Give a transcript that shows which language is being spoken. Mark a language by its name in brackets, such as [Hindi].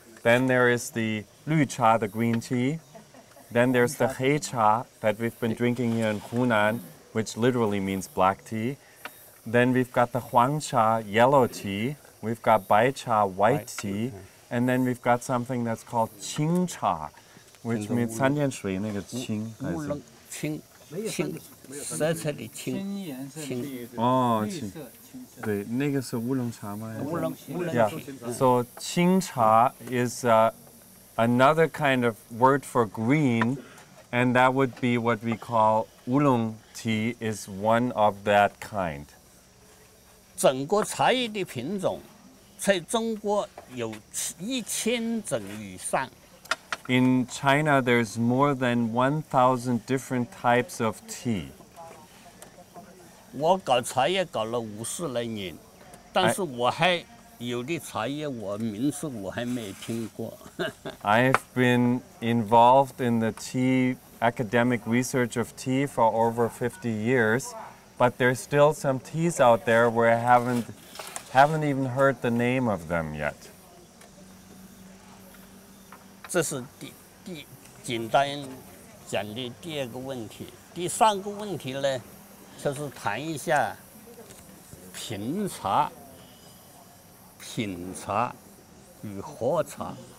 [English] Then there is the 绿茶, the green tea. Then there's the 黑茶that we've been drinking here in Hunan, which literally means black tea. Then we've got the 黄茶, yellow tea. We've got 白茶, white tea. And then we've got something that's called 青茶, which means [Chinese] 三件水那个青还是青。青，色彩的青，青颜色青，哦，青，对，那个是乌龙茶吗？乌龙茶。 [English] So 青茶 is another kind of word for green, and that would be what we call 乌龙 tea is one of that kind. [Chinese] 整个茶叶的品种，在中国有1000种以上。 [English] In China, there's more than 1,000 different types of tea. [Chinese] 我搞茶叶搞了50来年，但是我还有的茶叶，我名字我还没听过。 [English] I've been involved in the tea academic research of tea for over 50 years, but there's still some teas out there where I haven't even heard the name of them yet. [Chinese] 这是第简单讲的第二个问题。第三个问题呢，就是谈一下品茶与喝茶。